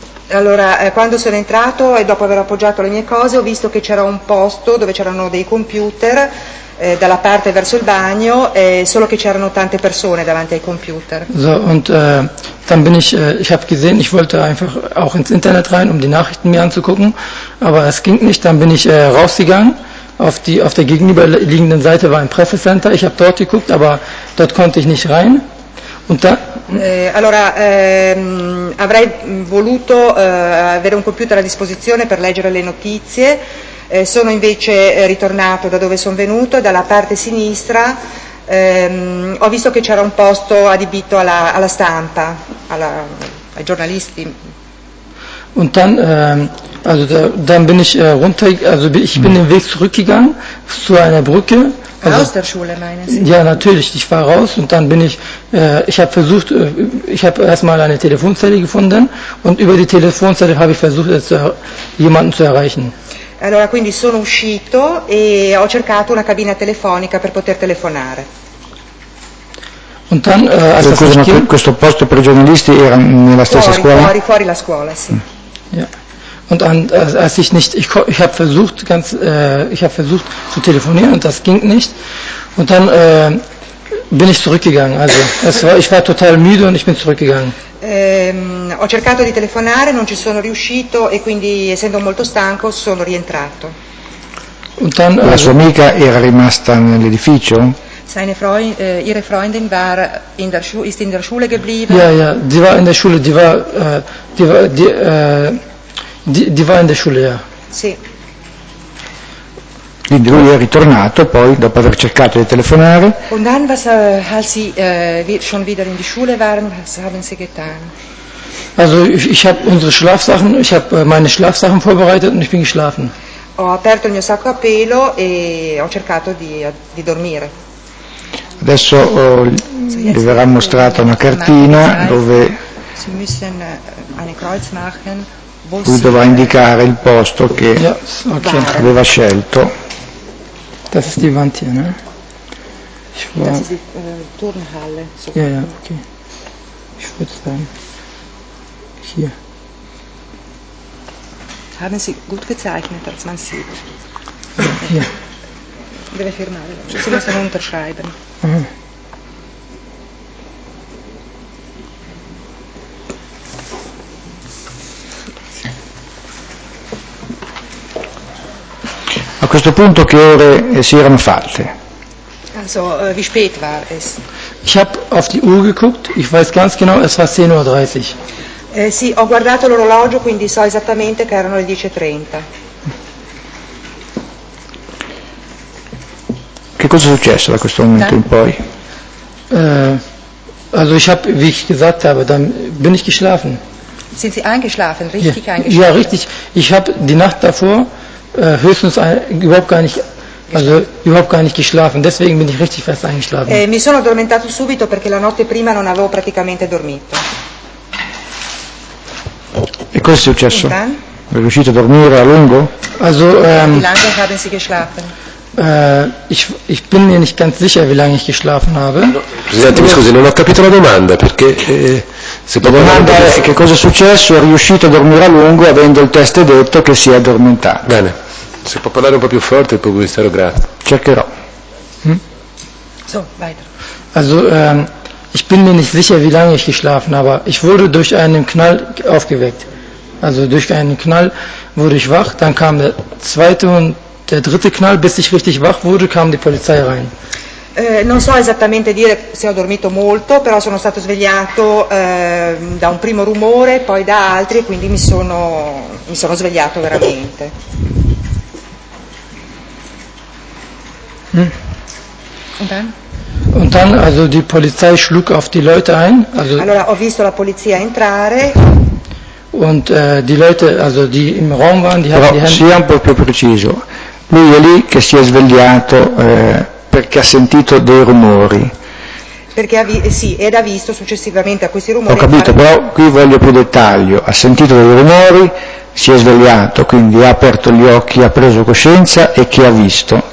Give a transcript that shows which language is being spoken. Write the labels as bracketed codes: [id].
[it] Allora, quando sono entrato e dopo aver appoggiato le mie cose, ho visto che c'era un posto dove c'erano dei computer dalla parte verso il bagno, solo che c'erano tante persone davanti ai computer. [de] So, und dann bin ich, ich habe gesehen, ich wollte einfach auch ins Internet rein, um die Nachrichten mir anzugucken, aber es ging nicht, dann bin ich rausgegangen, auf der gegenüberliegenden Seite war ein Pressecenter, ich habe dort geguckt, aber dort konnte ich nicht rein. Und da, [it] allora avrei voluto avere un computer a disposizione per leggere le notizie, sono invece ritornato da dove sono venuto e dalla parte sinistra ho visto che c'era un posto adibito alla stampa, ai giornalisti. [de] Und dann, also dann bin ich runter, also ich bin den Weg zurückgegangen zu einer Brücke. Also, aus der Schule, meine Sie? Ja, natürlich, ich war raus und dann bin ich, ich habe versucht, ich habe erstmal eine Telefonzelle gefunden und über die Telefonzelle habe ich versucht, jemanden zu erreichen. [it] Allora, quindi sono uscito e ho cercato una cabina telefonica per poter telefonare. [de] Und dann, [it] questo posto per i giornalisti era nella stessa scuola? Fuori la scuola, sì. [de] Ja. Und dann, als ich nicht, ich habe versucht, ganz, ich habe versucht zu telefonieren und das ging nicht. Und dann bin ich zurückgegangen. Also, ich war total müde und ich bin zurückgegangen. [it] Ho cercato di telefonare, non ci sono riuscito e quindi, essendo molto stanco, sono rientrato. [de] Und dann, [it] la sua amica era rimasta nell'edificio? [de] Seine ihre Freundin war in der ist in der Schule geblieben. Ja, ja, die war in der Schule, die war in der Schule, ja. [it] Sì. Quindi lui è ritornato poi dopo aver cercato di telefonare. [de] Und dann was als sie schon wieder in die Schule waren, was haben sie getan? Also ich habe unsere Schlafsachen, ich habe meine Schlafsachen vorbereitet und ich bin geschlafen. [it] Ho aperto il mio sacco a pelo e ho cercato di dormire. Adesso gli verrà mostrata una cartina dove lui dovrà indicare il posto che aveva scelto. [de] Das ist die Wand hier, ne? Ich war, das ist die Turnhalle. So ja, ja, okay. Ich würde sagen, hier. Haben Sie gut gezeichnet, als man sieht? Ja, hier. [it] Deve firmare. [de] Sie müssen unterschreiben. Aha. [it] A questo punto che ore si erano fatte? [de] Also, wie spät war es? Ich habe auf die Uhr geguckt, ich weiß ganz genau, es war 10:30. [it] Sì, ho guardato l'orologio, quindi so esattamente che erano le 10:30. Che cosa è successo da questo momento in poi? [de] Also ich habe, wie ich gesagt habe, dann bin ich geschlafen. Sind Sie eingeschlafen, richtig eingeschlafen? Ja, richtig. Ich habe die Nacht davor höchstens überhaupt gar nicht geschlafen, deswegen bin ich richtig fest eingeschlafen. [it] Mi sono addormentato subito perché la notte prima non avevo praticamente dormito. E cosa è successo? È riuscito a dormire a lungo? [de] Also, wie lange haben Sie geschlafen? Ich bin mir nicht ganz sicher, wie lange ich geschlafen habe. [it] Presidente, mi scusi, non ho capito la domanda, perché la domanda è che cosa è successo, è riuscito a dormire a lungo avendo il test detto che si è addormentato. Bene, se può parlare un po' più forte il ministero, grazie. Cercherò. [de] So, weiter. Also, ich bin mir nicht sicher, wie lange ich geschlafen habe. Ich wurde durch einen Knall aufgeweckt. Also durch einen Knall wurde ich wach, dann kam der zweite und der dritte Knall, bis ich richtig wach wurde, kam die Polizei rein. [it] Non so esattamente dire se ho dormito molto, però sono stato svegliato da un primo rumore, poi da altri, e quindi mi sono svegliato veramente. [de] Und dann also die Polizei schlug auf die Leute ein. Also [it] allora ho visto la polizia entrare. [de] Und die Leute, also die im Raum waren, die hatten die Hände. [it] Sia un po' più preciso. Lui è lì che si è svegliato perché ha sentito dei rumori. Perché ed ha visto successivamente a questi rumori. Ho capito, però qui voglio più dettaglio. Ha sentito dei rumori, si è svegliato, quindi ha aperto gli occhi, ha preso coscienza e che ha visto?